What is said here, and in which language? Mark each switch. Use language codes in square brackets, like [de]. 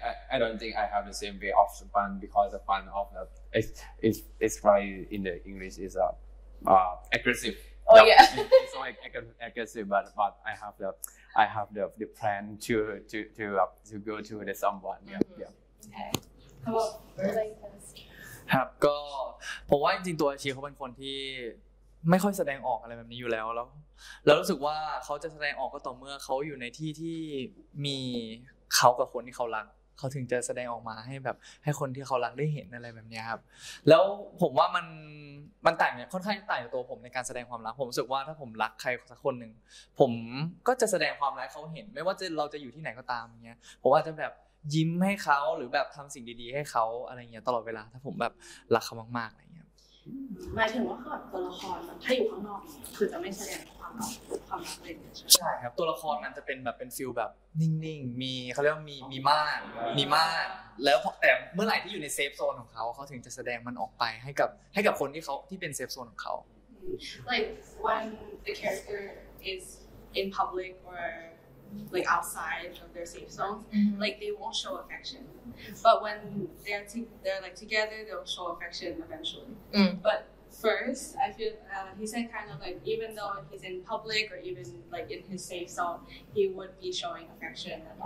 [en] I don't think I have the same way of the pun because the pun of the it's probably in the English is aggressive. Oh no, yeah. It's like aggressive, but I have the plan to go to the someone. Yeah. Mm-hmm. Yeah. Okay. How about like this? [th] ครับก็ผมว่าจริงๆตัวอาชีพเขาเป็นคนที่ไม่ค่อยแสดงออกอะไรแบบนี้อยู่แล้วรู้สึกว่าเขาจะแสดงออกก็ต่อเมื่อเขาอยู่ในที่ที่มีเขากับคนที่เขารัก ขาถึงจะแสดงออกมาให้แบบให้คนที่เขารักได้เห็นอะไรแบบนี้ครับแล้วผมว่ามันต่างเนี่ยค่อนข้างต่างกับตัวผมในการแสดงความรักผมรู้สึกว่าถ้าผมรักใครสักคนนึงผมก็จะแสดงความรักเขาเห็นไม่ว่าจะเราจะอยู่ที่ไหนก็ตามเงี้ยผมอาจจะแบบยิ้มให้เขาหรือแบบทำสิ่งดีๆให้เขาอะไรเงี้ยตลอดเวลาถ้าผมแบบรักเขามากๆอะไรเงี้ย หมายถึงว่าตัวละครถ้าอยู่ข้างนอกคือจะไม่แสดงความรัก เลย ใช่ครับตัวละครมันจะเป็นแบบเป็นฟิลแบบนิ่งๆมีเขาเรียกว่ามีม่านแล้วแต่เมื่อไหร่ที่อยู่ในเซฟโซนของเขาเขาถึงจะแสดงมันออกไปให้กับคนที่เขาที่เป็นเซฟโซนของเขา [en] like when the character is in public orLike outside of their safe zone, mm-hmm. like they won't show affection. But when they're like together, they'll show affection eventually. Mm. But first, I feel he said kind of like even though he's in public or even like in his safe zone, he would be showing affection.